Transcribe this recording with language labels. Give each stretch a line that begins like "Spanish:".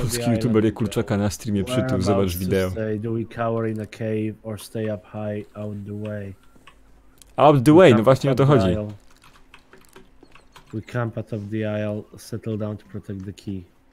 Polish: polski youtuber je kurczaka na streamie przytył, zobacz wideo.
English: Do we cower in a cave or stay up high out the way? Out the way,
Polish: no właśnie o to chodzi.
English: We camp atop the isle, settle down to protect the key.